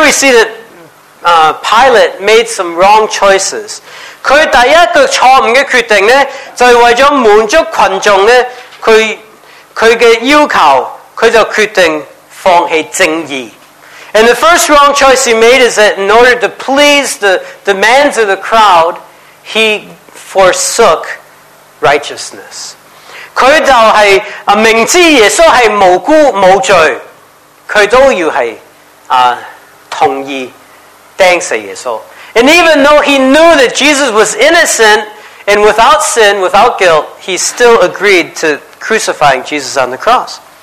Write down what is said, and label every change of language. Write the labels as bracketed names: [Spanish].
[English] we see that Pilate made some wrong choices. [Chinese] 他第一个错误的决定呢，就是为了满足群众呢，他的要求，他就决定放弃正义。 And [English] the first wrong choice he made is that in order to please the demands of the crowd, he forsook righteousness. [Chinese] 他就是明知耶稣是无辜无罪，他都要同意钉死耶稣。 [English] And even though he knew that Jesus was innocent and without sin, without guilt, he still agreed to crucifying Jesus on the cross.